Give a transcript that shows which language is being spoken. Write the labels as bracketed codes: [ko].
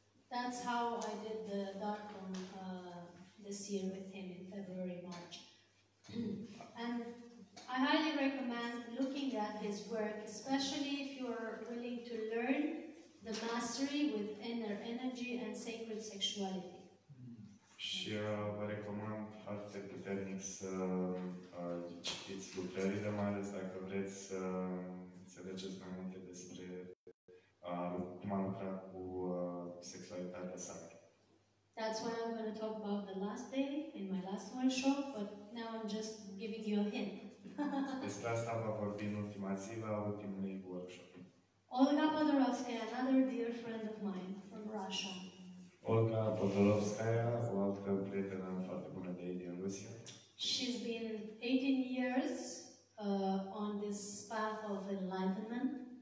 [en] That's how I did the darkroom this year with him in February, March. And I highly recommend looking at his work, especially if you are willing to learn the mastery with inner energy and sacred sexuality. [ro] Și vă recomand foarte puternic să citiți lucrările, mai ales dacă vreți să înțelegeți mai multe despre cum a lucrat cu sexualitatea sa. [en] That's why I'm going to talk about the last day in my last workshop, but now I'm just giving you a hint. [ro] Despre asta va vorbi în ultima zi la ultimului workshop. [en] Olga Podorovskaya, another dear friend of mine from Russia. [ro] Olga Podorovskaya, o altă prietenă foarte bună de ei din Rusia. [en] She's been 18 years on this path of enlightenment.